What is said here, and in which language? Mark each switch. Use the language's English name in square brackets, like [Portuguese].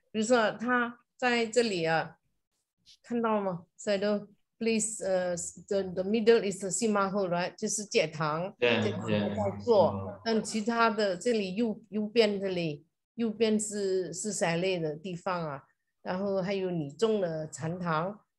[Chinese] 比如说他在这里啊，看到吗？ [English] Sayadaw, please, the middle is the Sima Hall, right? [Chinese] 就是戒堂，戒堂在做。但其他的这里右边是 Sayadaw 的地方啊，然后还有女中的禅堂。